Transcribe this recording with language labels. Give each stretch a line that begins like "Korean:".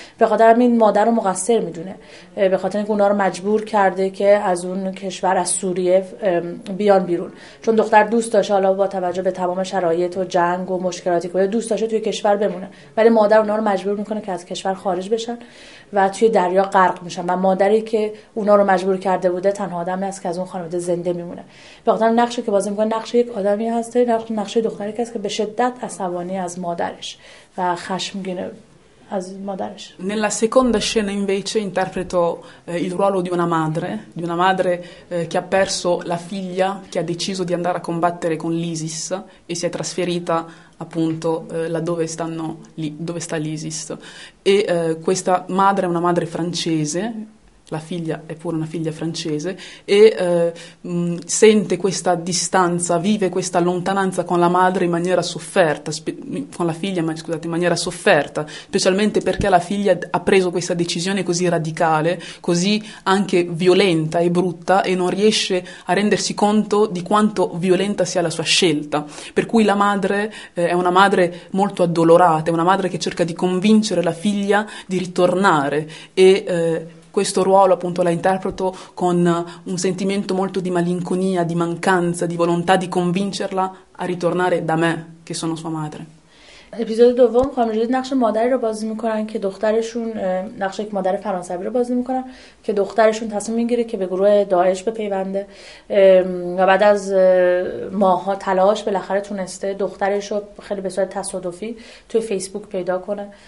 Persian: به خاطر این مادر رو مقصر میدونه، به خاطر اینکه اونا رو مجبور کرده که از اون کشور از سوریه بیان بیرون، چون دختر دوست داشته، حالا با توجه به تمام شرایط و جنگ و مشکلاتی که دوست داشته توی کشور بمونه، ولی مادر اونا رو مجبور میکنه که از کشور خارج بشن و توی دریا غرق میشن و مادری که اونا رو مجبور کرده بوده تنها آدمی هست که از اون خانواده زنده میمونه. به خاطر نقشی که بازی میکنه، نقش یک آدمی هست، نقش دختری هست که به شدت عصبانی از مادرش و خشمگینه از مادرش.
Italian: Nella seconda scena invece interpreto il ruolo di una madre che ha perso la figlia, che ha deciso di andare a combattere con l'ISIS e si è trasferita appunto laddove stanno lì, dove sta l'ISIS. E questa madre è una madre francese, la figlia è pure una figlia francese, e sente questa distanza, vive questa lontananza con la madre in maniera sofferta, in maniera sofferta, specialmente perché la figlia ha preso questa decisione così radicale, così anche violenta e brutta, e non riesce a rendersi conto di quanto violenta sia la sua scelta. Per cui la madre è una madre molto addolorata, è una madre che cerca di convincere la figlia di ritornare, e questo ruolo appunto la interpreto con un sentimento molto di malinconia, di mancanza, di volontà di convincerla a ritornare da me, che sono sua madre.
Persian: اپیزود دوم خانم جدید نقش مادری رو بازی میکنن که دخترشون، نقش یک مادر فرانسوی رو بازی میکنن که دخترشون تصمیم میگیره که به گروه داعش بپیونده و بعد از ماها تلاش بالاخره تونسته دخترش رو خیلی به صورت تصادفی توی فیسبوک پیدا کنه